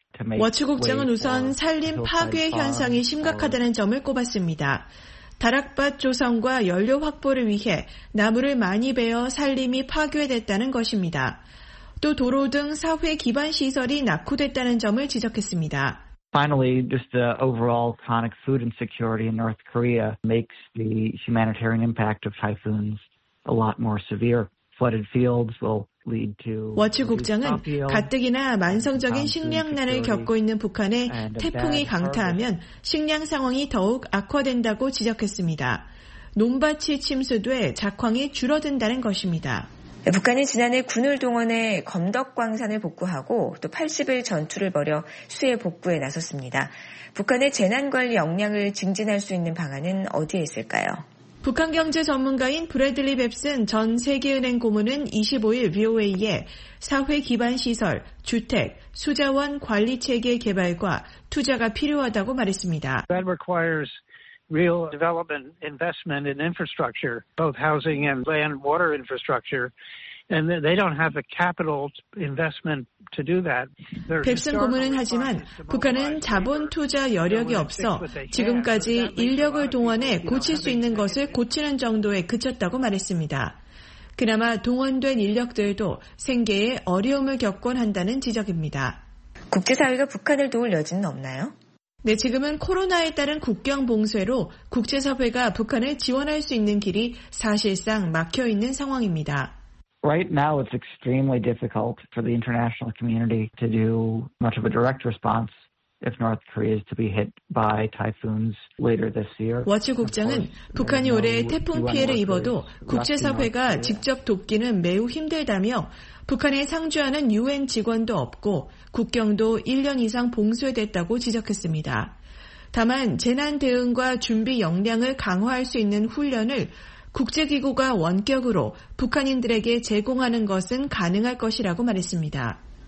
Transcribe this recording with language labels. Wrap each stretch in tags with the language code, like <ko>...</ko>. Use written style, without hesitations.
<ko>워츠 국장은 우선 산림 파괴 현상이 심각하다는 점을 꼽았습니다. 다락밭 조성과 연료 확보를 위해 나무를 많이 베어 산림이 파괴됐다는 것입니다. 또 도로 등 사회 기반 시설이 낙후됐다는 점을 지적했습니다.</ko> <en>Finally, just the overall chronic food insecurity in North Korea makes the humanitarian impact of typhoons a lot more severe. Flooded fields will lead to</en> <ko>워츠 국장은 가뜩이나 만성적인 식량난을 겪고 있는 북한에 태풍이 강타하면 식량 상황이 더욱 악화된다고 지적했습니다. 논밭이 침수돼 작황이 줄어든다는 것입니다. 북한이 지난해 군을 동원해 검덕광산을 복구하고 또 80일 전투를 벌여 수해 복구에 나섰습니다. 북한의 재난관리 역량을 증진할 수 있는 방안은 어디에 있을까요? 북한 경제 전문가인 브래들리 뱁슨 전 세계은행 고문은 25일 VOA에 사회 기반 시설, 주택, 수자원 관리 체계 개발과 투자가 필요하다고 말했습니다.</ko> <en>That requires real development investment in infrastructure, both housing and land water infrastructure. And they don't have the capital investment to do that.</en> <ko>뱁슨 고문은 하지만 북한은 자본 투자 여력이 없어 지금까지 인력을 동원해 고칠 수 있는 것을 고치는 정도에 그쳤다고 말했습니다. 그나마 동원된 인력들도 생계에 어려움을 겪곤 한다는 지적입니다. 국제사회가 북한을 도울 여지는 없나요? 네, 지금은 코로나에 따른 국경 봉쇄로 국제사회가 북한을 지원할 수 있는 길이 사실상 막혀 있는 상황입니다.</ko> <en>Right now it's extremely difficult for the international community to do much of a direct response if North Korea is to be hit by typhoons later this year.</en> <ko>워치 국장은 북한이 올해 태풍 피해를 입어도 국제사회가 직접 돕기는 매우 힘들다며 북한에 상주하는 UN 직원도 없고 국경도 1년 이상 봉쇄됐다고 지적했습니다. 다만 재난 대응과 준비 역량을 강화할 수 있는 훈련을 국제기구가 원격으로 북한인들에게 제공하는 것은 가능할 것이라고 말했습니다.</ko>